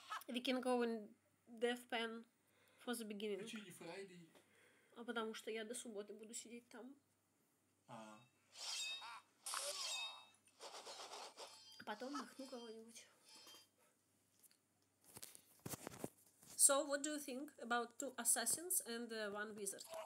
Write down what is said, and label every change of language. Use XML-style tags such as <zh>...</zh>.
<en>We can go in death pen for the beginning.</en> <ru>Почему не Friday? А потому что я до субботы буду сидеть там. А потом махну кого-нибудь.</ru> <en>So what do you think about two assassins and one wizard?</en>